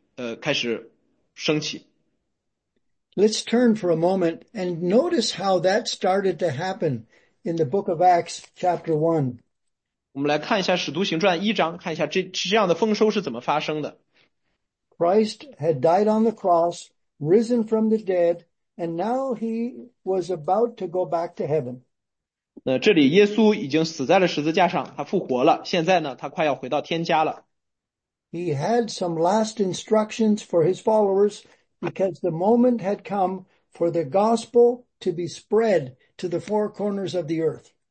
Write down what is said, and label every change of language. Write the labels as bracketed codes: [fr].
[zh] 那在全世界各地，这样的种子被种下，新的生命开始升起。 [en] Let's turn for a moment and notice how that started to happen in the book of Acts chapter 1. [zh] 我们来看一下《使徒行传》一章，看一下这样的丰收是怎么发生的。 [en] Christ had died on the cross, risen from the dead, and now he was about to go back to heaven. [zh] 那这里耶稣已经死在了十字架上，他复活了，现在呢，他快要回到天家了。 [en] He had some last instructions for his followers, because the moment had come for the gospel to be spread to the four corners of the earth.